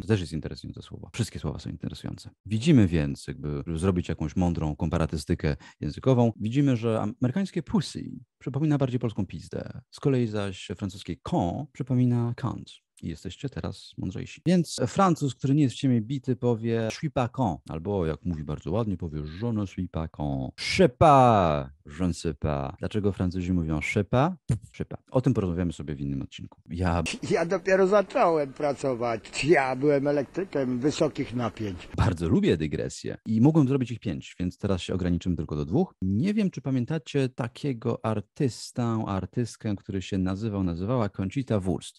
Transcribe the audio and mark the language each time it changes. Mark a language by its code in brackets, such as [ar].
[pl] To też jest interesujące słowo. Wszystkie słowa są interesujące. Widzimy więc, jakby zrobić jakąś mądrą komparatystykę języka. Widzimy, że amerykańskie pussy przypomina bardziej polską pizdę, z kolei zaś francuskie con przypomina cunt. I jesteście teraz mądrzejsi. Więc Francuz, który nie jest w ciemię bity, powie [fr] je suis pas con. [pl] Albo jak mówi bardzo ładnie, powie [fr] je ne suis pas con. Je sais pas, je ne sais pas. [pl] Dlaczego Francuzi mówią [fr] je sais pas? [pl] O tym porozmawiamy sobie w innym odcinku. Ja dopiero zacząłem pracować. Ja byłem elektrykiem wysokich napięć. Bardzo lubię dygresje i mogłem zrobić ich 5, więc teraz się ograniczymy tylko do 2. Nie wiem, czy pamiętacie takiego artystkę, który się nazywała Conchita Wurst.